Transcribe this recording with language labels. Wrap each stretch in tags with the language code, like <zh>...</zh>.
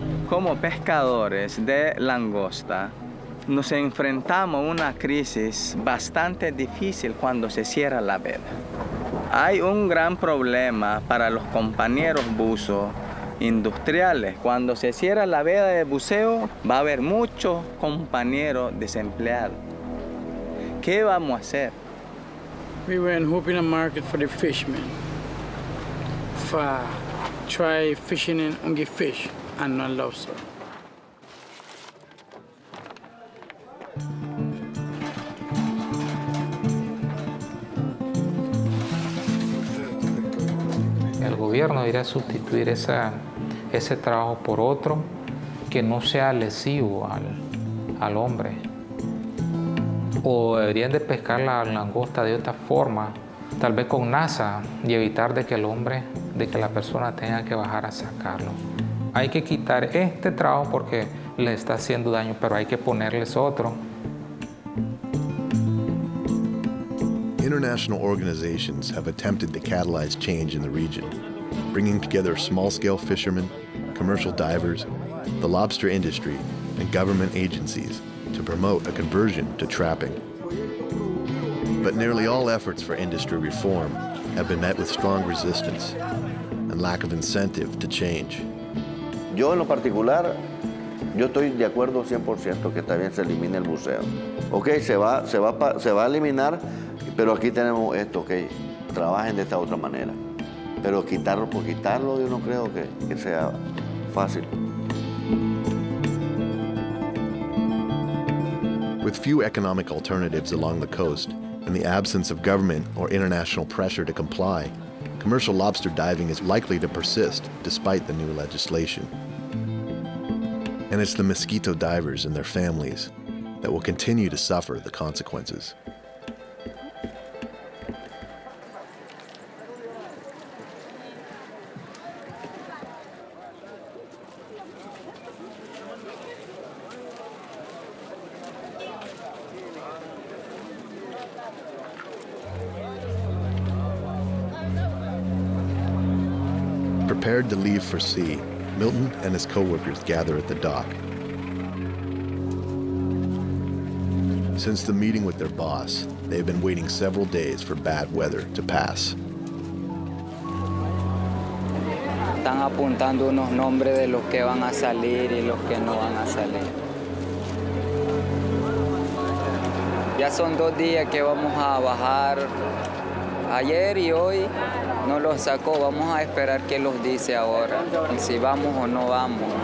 <es>Como pescadores de langosta, nos enfrentamos a una crisis bastante difícil cuando se cierra la veda. Hay un gran problema para los compañeros buzos industriales. Cuando se cierra la veda de buceo, va a haber muchos compañeros desempleados. ¿Qué vamos a hacer?</es> <en>We went hoping a market for the fishermen. For try fishing in ungi fish and not lobster.</en> <es>El gobierno debería sustituir ese trabajo por otro que no sea lesivo al hombre. O deberían de pescar la langosta de otra forma, tal vez con nasa, y evitar de que la persona tenga que bajar a sacarlo. Hay que quitar este trabajo porque le está haciendo daño, pero hay que ponerles otro.</es> <en>International organizations have attempted to catalyze change in the region, bringing together small-scale fishermen, commercial divers, the lobster industry, and government agencies to promote a conversion to trapping. But nearly all efforts for industry reform have been met with strong resistance and lack of incentive to change.</en> <es>Yo en lo particular, yo estoy de acuerdo 100% que también se elimine el buceo. Okay, se va a eliminar, pero aquí tenemos esto, okay, trabajen de esta otra manera. Pero quitarlo por quitarlo, yo no creo que sea fácil.</es> <en>With few economic alternatives along the coast and the absence of government or international pressure to comply, commercial lobster diving is likely to persist despite the new legislation. And it's the mosquito divers and their families that will continue to suffer the consequences. Prepared to leave for sea, Milton and his co-workers gather at the dock. Since the meeting with their boss, they've been waiting several days for bad weather to pass.</en> <es>Están apuntando unos nombres de los que van a salir y los que no van a salir. Ya son dos días que vamos a bajar. Ayer y hoy no los sacó, vamos a esperar qué los dice ahora, y si vamos o no vamos.</es>